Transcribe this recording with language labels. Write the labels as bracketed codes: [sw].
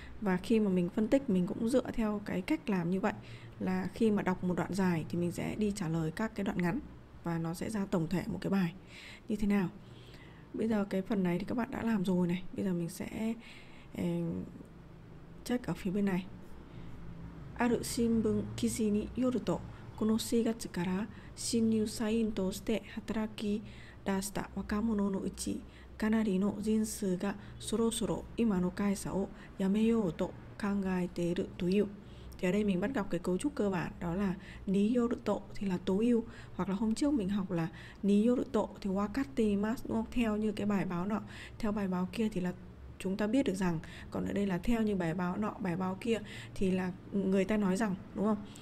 [vi] Và khi mà mình phân tích, mình cũng dựa theo cái cách làm như vậy, là khi mà đọc một đoạn dài thì mình sẽ đi trả lời các cái đoạn ngắn và nó sẽ ra tổng thể một cái bài như thế nào. Bây giờ cái phần này thì các bạn đã làm rồi này. Bây giờ mình sẽ check ở phía bên này. [ja] ある新聞記事によると、この4月から新入社員として働き出した若者のうち、かなりの人数がそろそろ今の会社を辞めようと考えているという。 [vi] Thì ở đây mình bắt gặp cái cấu trúc cơ bản, đó là ni yoruto thì là tối ưu, hoặc là hôm trước mình học là ni yoruto thì [ja] wakatte imasu, [vi] đúng không? Theo như cái bài báo nọ, theo bài báo kia thì là chúng ta biết được rằng, còn ở đây là theo như bài báo nọ, bài báo kia thì là người ta nói rằng, đúng không?